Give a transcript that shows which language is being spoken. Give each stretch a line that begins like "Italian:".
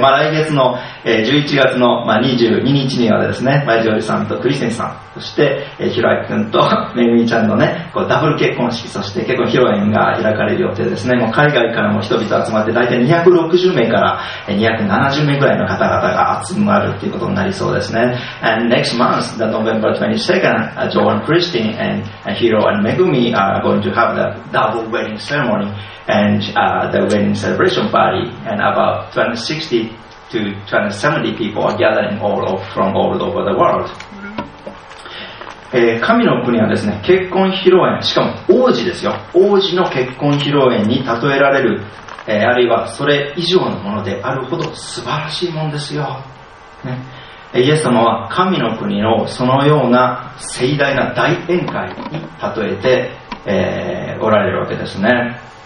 Japanese: まあ来月の、11月の、まあ、22日にはですね、前条理さんとクリセンさん、そして、ひろあきくんとめぐみちゃんのね、こうダブル結婚式、そして結婚披露宴が開かれる予定ですね。もう海外からも人々集まって大体260名から270名ぐらいの方々が集まるっていうことになりそうですね。
English: And next month, the November 22nd, Joan Christine and Hiro and Megumi are going to have the double wedding ceremony. And the wedding celebration party, and about 260 to 270 people are gathering from all over the world.
Japanese: 神の国はですね、結婚披露宴、しかも王子ですよ。王子の結婚披露宴に例えられる、あるいはそれ以上のものであるほど素晴らしいもんですよ。ね、イエス様は神の国のそのような盛大な大宴会に例えて、おられるわけですね。